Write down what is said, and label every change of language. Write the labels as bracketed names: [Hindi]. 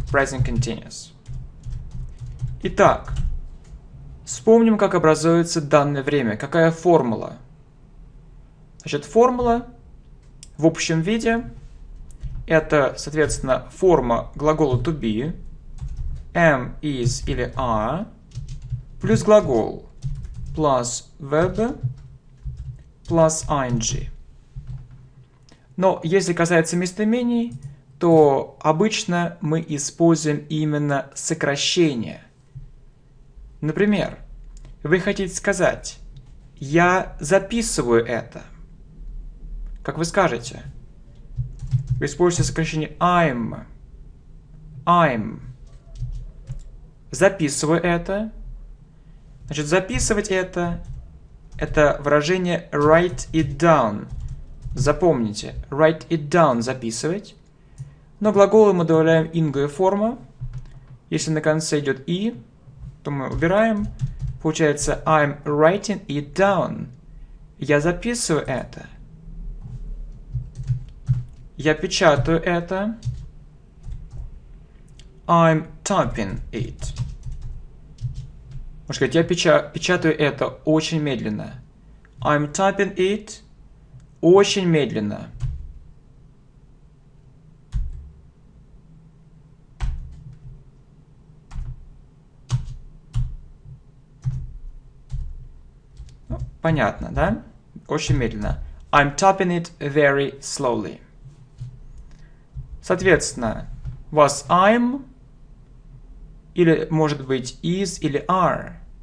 [English] Present continuous. [Russian] Итак, вспомним, как образуется данное время. Какая формула? Значит, формула в общем виде – это, соответственно, форма глагола to be. [English] Am, is [Russian] или [English] are. [Russian] Плюс глагол, [English] plus verb, plus ing. [Russian] Но если касается местоимений, то обычно мы используем именно сокращение. Например, вы хотите сказать, я записываю это. Как вы скажете? Вы используете сокращение I'm. Записываю это. Значит, записывать это выражение [English] write it down. [Russian] Запомните, [English] write it down, [Russian] записывать. Но глаголы мы добавляем ингую форму. Если на конце идет и, то мы убираем. Получается, [English] I'm writing it down. [Russian] Я записываю это. Я печатаю это. [English] I'm typing it. [Russian] Можно сказать, я печатаю это очень медленно. [English] I'm typing it [Russian] очень медленно. Ну, понятно, да? Очень медленно. [English] I'm typing it very slowly. [Russian] Соответственно, was I'm или, может быть, is или are.